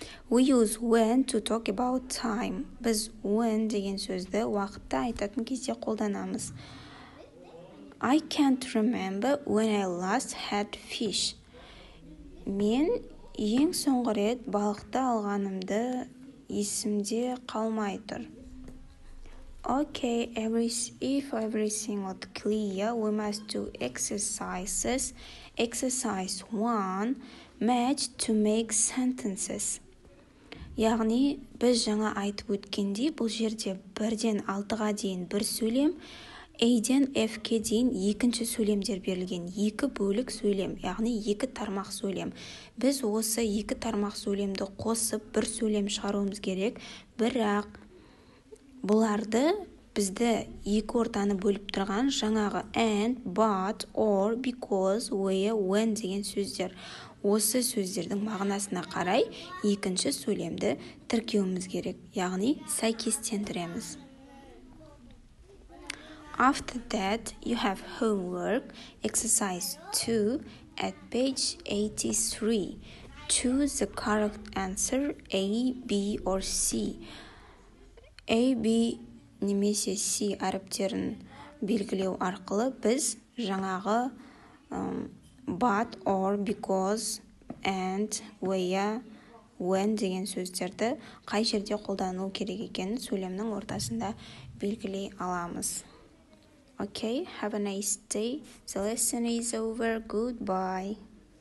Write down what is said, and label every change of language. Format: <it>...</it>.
<en>We use when to talk about time.</en> <kk>Біз when деген сөзді уақытта айтатын кезде қолданамыз.</kk> <en>I can't remember when I last had fish.</en> <kk>Мен ең соңғы рет балықты алғанымды есімде қалмай тұр.</kk> <en>Okay, if everything was clear, we must do exercises. Exercise 1, match to make sentences.</en> <kk>Яғни, біз жаңа айтып өткенде, бұл жерде бірден алтыға дейін бір сөйлем, A-ден F-ке дейін екінші сөйлемдер берілген, екі бөлік сөйлем, яғни екі тармақ сөйлем. Біз осы екі тармақ сөйлемді қосып, бір сөйлем шығаруымыз керек, бірақ бұларды бізді екі ортаны бөліп тұрған жаңағы and, but, or, because, where, when деген сөздер. Осы сөздердің мағынасына қарай екінші сөйлемді тіркеуіміз керек, яғни сәйкестендіреміз.</kk> <en>After that, you have homework, exercise 2, at page 83. Choose the correct answer A, B, or C. A, B,</en> <kk>немесе си әріптерін белгілеу арқылы біз жаңағы but, or, because, and, where, when деген сөздерді қай жерде қолдану керек екенін сөйлемнің ортасында белгілей аламыз.</kk> <en>Okay, have a nice day. The lesson is over. Goodbye.</en>